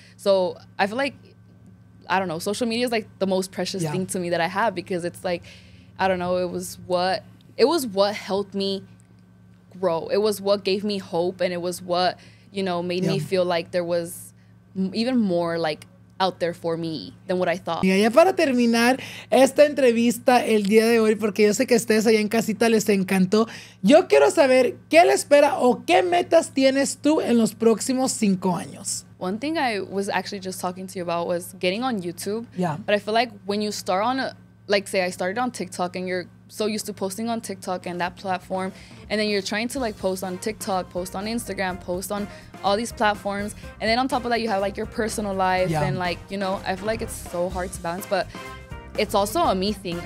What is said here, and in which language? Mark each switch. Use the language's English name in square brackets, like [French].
[English] So I feel like, I don't know, social media is like the most precious thing to me that I have, because it's like, I don't know, it was what helped me grow. It was what gave me hope, and it was what, you know, made me feel like there was even more like out there for me than what I thought. [Spanish] Y ya para terminar esta entrevista el día de hoy, porque yo sé que ustedes allá en casita les encantó, yo quiero saber qué le espera o qué metas tienes tú en los próximos 5 años. [English] One thing I was actually just talking to you about was getting on YouTube. Yeah. But I feel like when you start on, I started on TikTok, and you're so used to posting on TikTok and that platform, and then you're trying to like post on TikTok, post on Instagram, post on all these platforms, and then on top of that you have like your personal life, and like, you know, I feel like it's so hard to balance, but it's also a me thing.